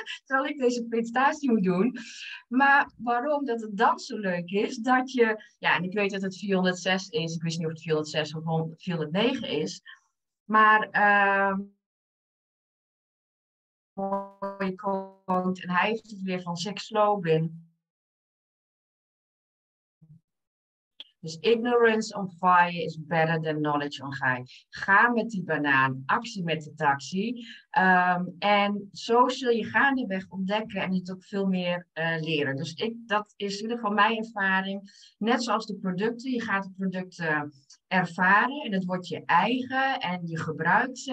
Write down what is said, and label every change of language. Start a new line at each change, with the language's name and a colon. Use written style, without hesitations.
Dutch: Terwijl ik deze presentatie moet doen. Maar waarom dat het dan zo leuk is, dat je, ja, en ik weet dat het 406 is, ik wist niet of het 406 of 409 is, maar mooie quote, en hij heeft het weer van Zach Slobin.
English: Dus ignorance on fire is better than knowledge on fire.
Dutch: Ga met die banaan, actie met de taxi. En zo zul je gaandeweg ontdekken en het ook veel meer leren. Dus dat is in ieder geval mijn ervaring. Net zoals de producten, je gaat de producten ervaren en het wordt je eigen en je gebruikt ze.